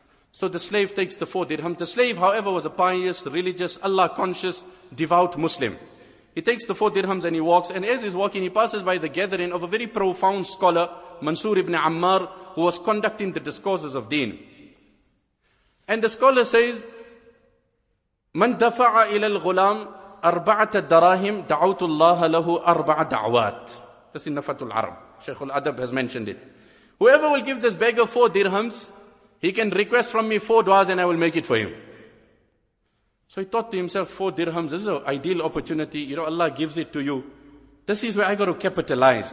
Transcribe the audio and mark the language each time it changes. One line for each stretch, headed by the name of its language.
English: So the slave takes the 4 dirhams. The slave, however, was a pious, religious, Allah conscious, devout Muslim. He takes the 4 dirhams and he walks, and as he's walking, he passes by the gathering of a very profound scholar, Mansur ibn Ammar, who was conducting the discourses of deen. And the scholar says,
Arabic: مَنْ دَفَعَ إِلَى الْغُلَامِ أَرْبَعَةَ دَرَاهِمِ دَعَوْتُ اللَّهَ لَهُ أَرْبَعَ دَعْوَاتِ.
English: This is Nafatul Arab. Shaykhul Adab has mentioned it. Whoever will give this beggar 4 dirhams, He can request from me 4 du'as and I will make it for him. So he thought to himself, 4 dirhams, this is an ideal opportunity. You know, Allah gives it to you. This is where I got to capitalize.